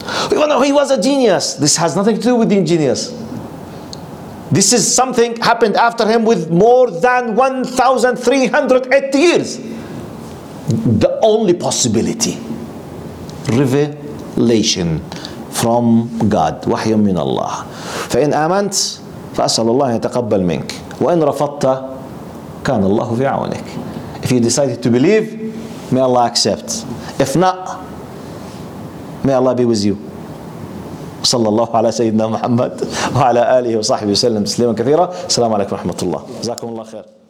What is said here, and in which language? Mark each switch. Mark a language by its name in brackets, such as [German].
[English] He was a genius. This has nothing to do with the genius. This is something happened after him with more than 1,380 years. The only possibility, revelation from God. [Arabic] وحي من الله. فإن آمنت فأسأل الله أن يتقبل منك. وإن رفضت كان الله في عونك. [English] If you decided to believe, may Allah accept. If not, may Allah be with you. [Arabic] صلى الله على سيدنا محمد وعلى آله وصحبه وسلم تسليما كثيرا. السلام عليكم ورحمة الله. جزاكم الله خير.